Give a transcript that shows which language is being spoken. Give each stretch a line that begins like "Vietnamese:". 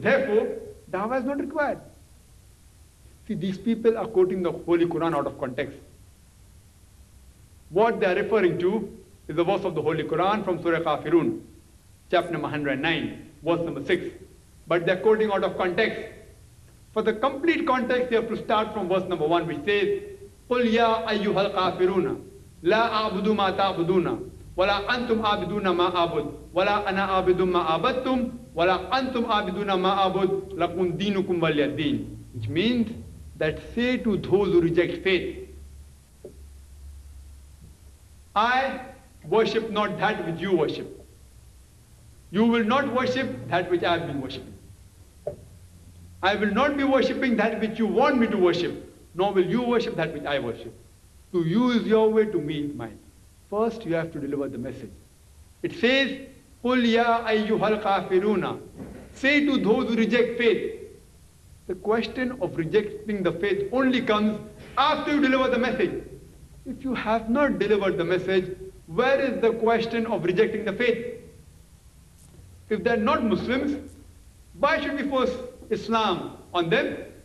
English: Therefore, Dawah is not required. See, these people are quoting the Holy Quran out of context. What they are referring to is the verse of the Holy Quran from Surah Kafirun, chapter number 109, verse number 6. But they are quoting out of context. For the complete context, you have to start from verse number 1, which says,
Arabic: قُلْ يَا أَيُّهَا الْقَافِرُونَ لَا أَعْبُدُ مَا تَعْبُدُونَ وَلَا أَنْتُمْ عَابِدُونَ مَا أَعْبُدْ وَلَا أَنَا عَابِدٌ مَا عَبَدْتُمْ وَلَا أَنْتُمْ عَابِدُونَ مَا أَعْبُدْ لَكُمْ دِينُكُمْ وَلِيَ الدِّينِ.
English: Which means that say to those who reject faith, I worship not that which you worship. You will not worship that which I have been worshipping. I will not be worshipping that which you want me to worship, nor will you worship that which I worship. To you is your way, to me is mine. First, you have to deliver the message. It says,
Arabic: قُلْ يَا أَيُّهَا الْقَافِرُونَ.
English: Say to those who reject faith. The question of rejecting the faith only comes after you deliver the message. If you have not delivered the message, where is the question of rejecting the faith? If they're not Muslims, why should we force Islam on them?